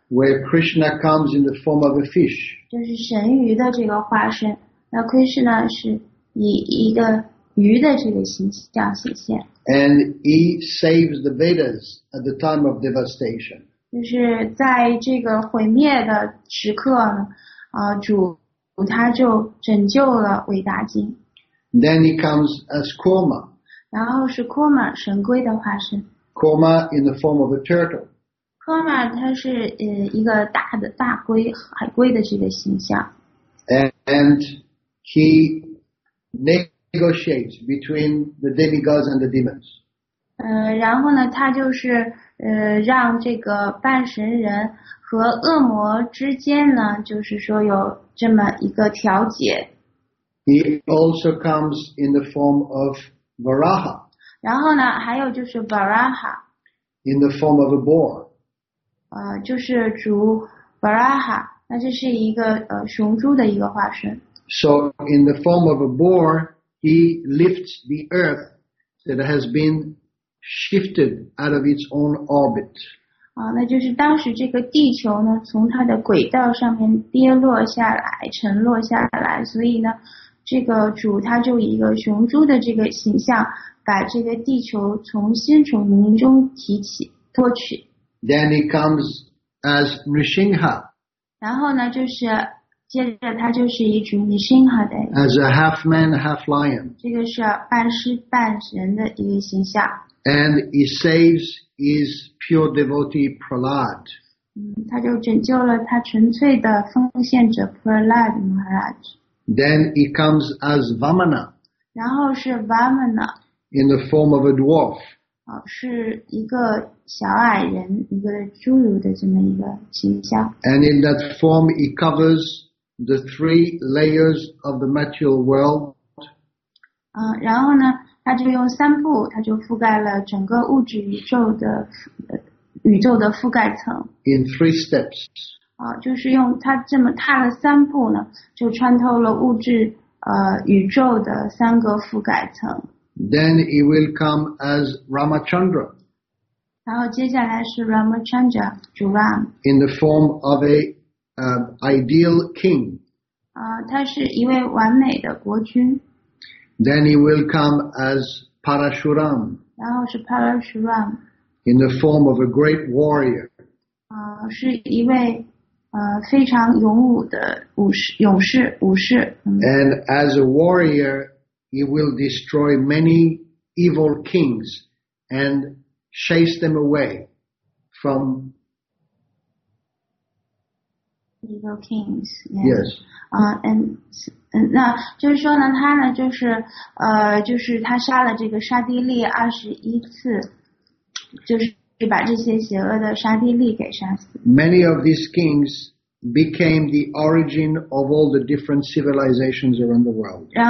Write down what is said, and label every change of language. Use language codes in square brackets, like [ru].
[en] Where Krishna comes in the form of a fish. [zh] 就是神鱼的这个化身。那 Krishna 是以一个鱼的这个形象显现。 [en] And he saves the Vedas at the time of devastation. [zh] 就是在这个毁灭的时刻呢，主他就拯救了伟大经。 [en] Then he comes as Kurma. [zh] 然后是 Kurma 神龟的化身。 [en] Kurma in the form of a turtle. [zh] Kurma 它是一个大龟海龟的这个形象。 [en] And he negotiates between the demigods and the demons. [zh] 然后呢，他就是让这个半神人和恶魔之间呢，就是说有这么一个调解。 [en] He also comes in the form of Varaha. [zh] 然后呢，还有就是 Varaha. [en] In the form of a boar. [zh] 就是竹 Varaha， 那这是一个雄猪的一个化身。 [en] So in the form of a boar, he lifts the earth that has been shifted out of its own orbit. [zh] 那就是当时这个地球呢，从它的轨道上面跌落下来，沉落下来。所以呢，这个主他就以一个雄猪的这个形象，把这个地球重新从云中提起，托起。 [en] Then he comes as Nrisimha. [zh] 然后呢，就是。接着他就是一只女性好的 [en] As a half man, half lion. [zh] 这个是半狮半人的一个形象。 [en] And he saves his pure devotee, Prahlad. [zh] 他就拯救了他纯粹的奉献者 Prahlad Maharaj. [en] Then he comes as Vamana. [zh] 然后是 Vamana. [en] In the form of a dwarf. [zh] 是一个小矮人，一个侏儒的这么一个形象。 [en] And in that form, he covers the three layers of the material world. [zh] 然后呢，他就用三步，他就覆盖了整个物质宇宙的覆盖层。 [en] In three steps. [zh] 就是用他这么踏了三步呢，就穿透了物质宇宙的三个覆盖层。 [en] Then he will come as Ramachandra. [zh] 然后接下来是 Ramachandra, 主 Ram. [en] In the form of a ideal king. [zh] 他是一位完美的国君。 [en] Then he will come as Parashuram. [zh] 然后是 Parashuram. [en] In the form of a great warrior. [zh] 是一位非常勇武的勇士。 [en] And as a warrior, he will destroy many evil kings and chase them away from evil kings. Yes. Many of these kings became the origin of all the different civilizations around the world.